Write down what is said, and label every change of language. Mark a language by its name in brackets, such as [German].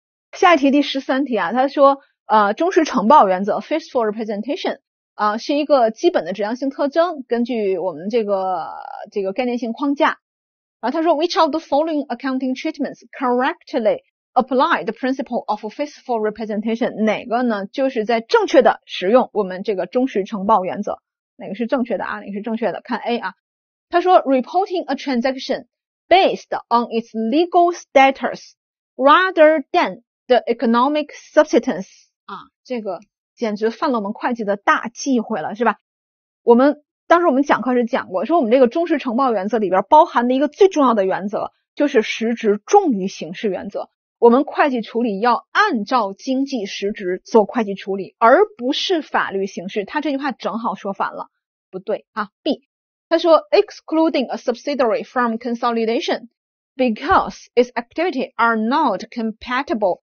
[Chinese] 下一题第13题啊，他说。忠实呈报原则 （faithful representation） 是一个基本的指向性特征，根据我们这个概念性框架。然后他说， [English] Which of the following accounting treatments correctly apply the principle of faithful representation？ [Chinese] 哪个呢？就是在正确的使用我们这个忠实呈报原则，哪个是正确的啊？哪个是正确的？看 A 啊，他说， [English] reporting a transaction based on its legal status rather than the economic substance。 [Chinese] 啊，这个简直犯了我们会计的大忌讳了，是吧？我们当时我们讲课是讲过，说我们这个忠实呈报原则里边包含的一个最重要的原则，就是实值重于形式原则。我们会计处理要按照经济实值做会计处理，而不是法律形式。他这句话正好说反了，不对啊。 B，他说 [English] excluding a subsidiary from consolidation because its activity are not compatible。